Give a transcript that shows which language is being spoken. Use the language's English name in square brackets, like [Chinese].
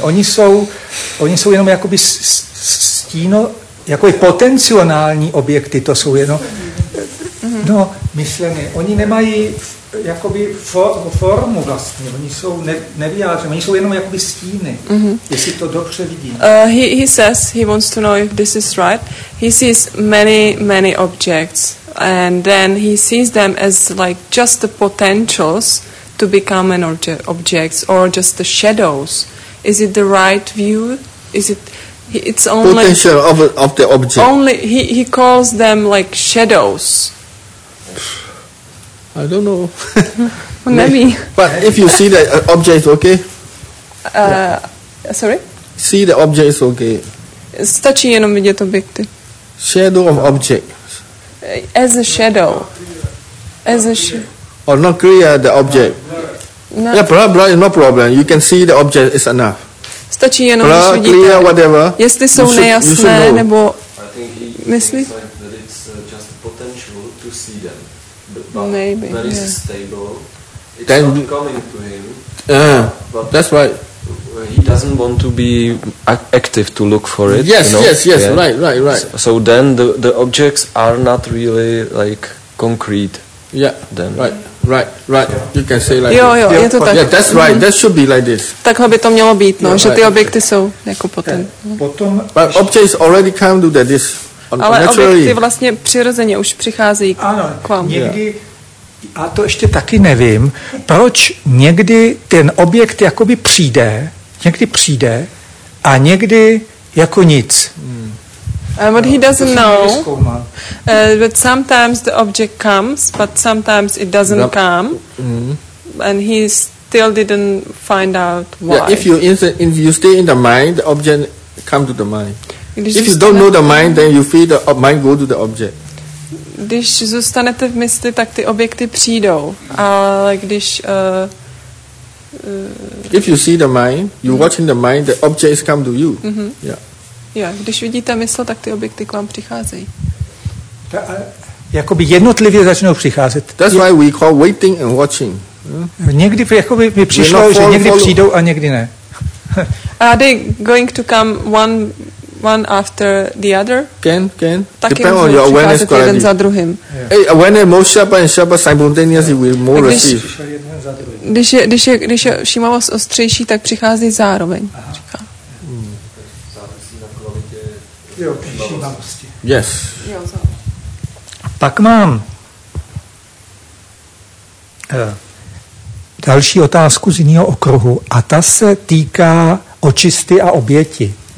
[Czech] Oni jsou jenom jakoby stíno, jakoby potenciální objekty, to jsou jenom, no, myšleny. Oni nemají jakoby formu vlastně, oni jsou nevyjádřené, oni jsou jenom jakoby stíny, jestli to dobře vidím. [English] He says he wants to know if this is right. He sees many objects. And then he sees them as like just the potentials to become an objects or just the shadows. Is it the right view? Is it? It's only potential of the object. Only he calls them like shadows. I don't know. Maybe. But if you see the object, okay. Sorry. See the objects, okay. [Czech] Stačí jenom vidět objekty. [English] Shadow of object. As a shadow. As a shadow. Or not clear the object. No. Yeah, blah, no problem. You can see the object, it's enough. [Czech] Stačí jenom, když vidíte, clear, [English] whatever. [Czech] Jestli jsou [English] you should, [Czech] nejasné, [English] you should know. [Czech] Nebo myslí? [English] I think he thinks that it's just potential to see them. But maybe, that is stable. It's then, not coming to him. That's right. He doesn't want to be active to look for it. Yes, you know? Yes, yeah. Right. So then the objects are not really like concrete. Yeah. Then. Right. Yeah. You can say like. [Czech] Jo, je to tak. [English] Yeah, that's right. Mm-hmm. That should be like this. [Czech] Takhle by to mělo být, no, yeah, že ty objekty okay. jsou jako potom. Potom. [English] But objects already come to that this. [Czech] Ale objekty vlastně přirozeně už přicházejí k vám. Ano, někdy, a to ještě taky nevím, proč někdy ten objekt jakoby přijde, někdy přijde a někdy jako nic. [English] What he doesn't know, but sometimes the object comes, but sometimes it doesn't come, and he still didn't find out why. Yeah, if you stay in the mind, the object come to the mind. If you don't know the mind, then you feel the mind go to the object. [Czech] Když zůstanete v mysli, tak ty objekty přijdou. Ale když [English] If you see the mind, you watching the mind, the objects come to you. Mm-hmm. Yeah, [Czech] když vidíte mysl, tak ty objekty k vám přicházejí. Jakoby jednotlivě začnou přicházet. [English] That's why we call waiting and watching. [Czech] Někdy jakoby mi přišlo, že někdy přijdou a někdy ne. [English] Are they going to come one after the other? Can. [Czech] Taky [English] depend on your awareness quality. [Czech] Jeden za druhým. [English] Yeah. Hey, when most sharp and sharp simultaneously will more receive. [Czech] Když je všímavost ostřejší, tak přichází zároveň. Aha. [English] Yes. [Czech] Pak mám další otázku z jiného okruhu a ta se týká očisty a oběti.